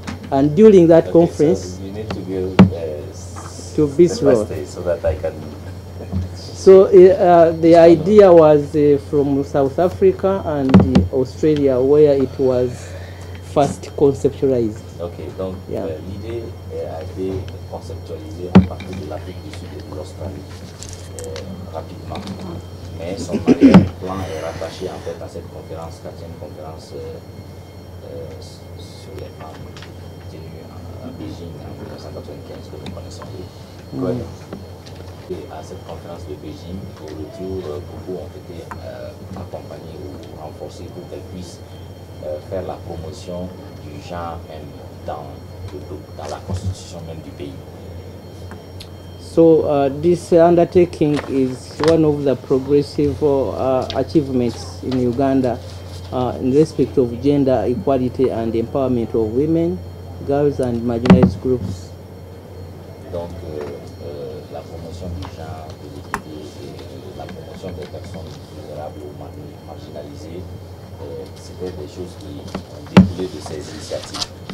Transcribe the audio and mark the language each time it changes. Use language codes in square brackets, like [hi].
[en] And during that conference, so you need to go to Bistro so that I can. So the idea was from South Africa and Australia, where it was first conceptualized. [fr] Okay, donc [en] yeah. [fr] L'idée a été conceptualisée en partie de l'Afrique du Sud et de l'Australie rapidement. Mais son plan est rattaché en fait à cette conférence, quatrième conférence sur les femmes tenue en Beijing en 1995, que vous connaissez bien. Mm. Et à cette conférence de Beijing, au retour, beaucoup ont été accompagnés ou renforcés pour qu'elles puissent faire la promotion du genre même dans le groupe, dans la constitution même du pays. [en] So this undertaking is one of the progressive achievements in Uganda in respect of gender equality and empowerment of women, girls and marginalized groups. [fr] Donc la promotion du genre, de l'équité et la promotion des personnes vulnérables ou marginalisées, c'était des choses qui ont découlé de ces initiatives.